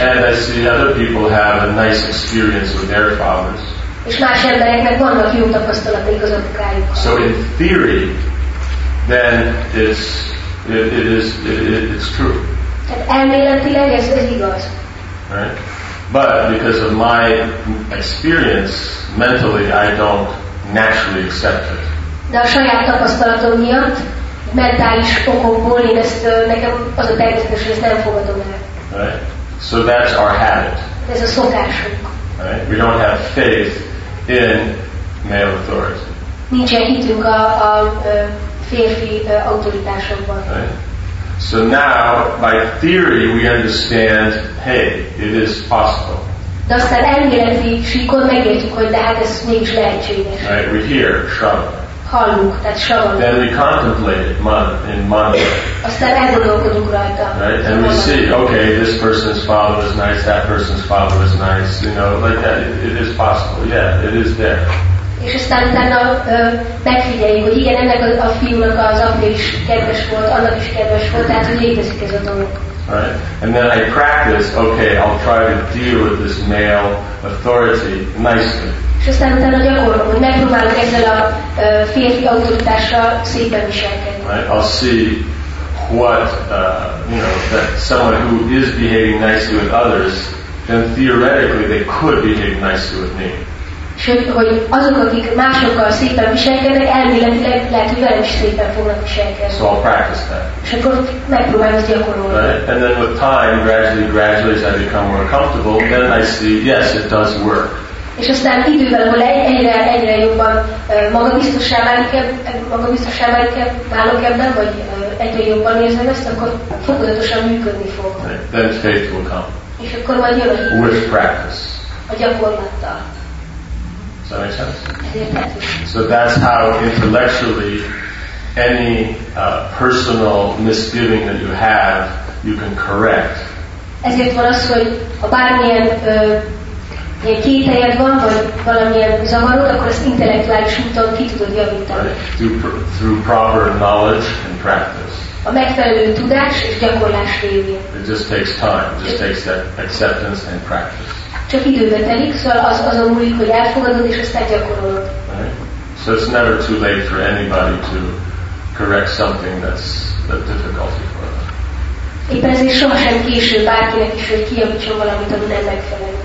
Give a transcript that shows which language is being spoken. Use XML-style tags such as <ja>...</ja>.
<en>And I see other people have a nice experience with their fathers.</en> <hu>És más embereknek vannak jó tapasztalataik az apukájuk.</hu> <en>So in theory, then it's true.</en> <hu>Tehát elméletileg ez igaz.</hu> <en>Right? But because of my experience mentally, I don't naturally accept it.</en> <hu>De a saját tapasztalatom miatt, mentális okokból én ezt nekem az a természetes, hogy ezt nem fogadom el.</hu> <en>Right. So that's our habit.</en> <hu>Ez a szokásunk.</hu> <en>Right. We don't have faith in male authority.</en> <hu>Nincsen hitünk a férfi autoritásokban.</hu> <en>Right. So now, by theory, we understand, hey, it is possible.</en> <hu>De aztán elméleti síkon megértjük, hogy de hát ez mégis lehetséges.</hu> <en>Right, we hear, shrug.</en> <hu>Hallunk, tehát shrug.</hu> <en>Then we contemplate it in mantra.</en> <hu>Aztán elgondolkodunk rajta.</hu> <en>Right, and we see, okay, this person's father is nice, that person's father is nice, you know, like that, it is possible, yeah, it is there.</en> <hu>És aztán utána megfigyeljük, hogy igen, ennek a fiúnak az apja is kedves volt, annak is kedves volt, tehát hogy létezik ez a dolog.</hu> <en>Right. And then I practice, okay, I'll try to deal with this male authority nicely.</en> <hu>És aztán utána gyakorlom, hogy megpróbálok ezzel a férfi autoritással szépen viselkedni.</hu> <en>Right. I'll see what, you know, that someone who is behaving nicely with others, then theoretically they could behave nicely with me.</en> <hu>Sőt, hogy azok, akik másokkal szépen viselkednek, elméletileg lehet, hogy velem is szépen fognak viselkedni.</hu> <en>So I'll practice that.</en> <hu>És akkor megpróbálom ezt gyakorolni.</hu> <en>Right? And then with time, gradually as I become more comfortable, then I see, yes, it does work.</en> <hu>És aztán idővel, ahol egyre jobban magabiztossá válok ebben, vagy egyre jobban érzem ezt, akkor fokozatosan működni fog.</hu> <en>Right. Then faith will come.</en> <hu>És akkor majd jön a hit.</hu> <en>With practice.</en> <hu>A gyakorlattal.</hu> <en>That makes sense. So that's how intellectually any personal misgiving that you have, you can correct.</en> <hu>Ezért van az, hogy ha bármilyen kételyed van, vagy valamilyen zavarod, akkor ezt intellektuális úton ki tudod javítani.</hu> <en>Right. Through proper knowledge and practice.</en> <hu>A megfelelő tudás és gyakorlás révén.</hu> <en>It just takes time. It just takes that acceptance and practice.</en> <hu>Csak időbe telik, szóval azon múlik, hogy elfogadod és aztán gyakorolod.</hu> <en>Right. So it's never too late for anybody to correct something that's a difficulty for them.</en> <hu>Éppen ezért sohasem késő bárkinek is, hogy kijavítson valamit, ami nem megfelelő.</hu>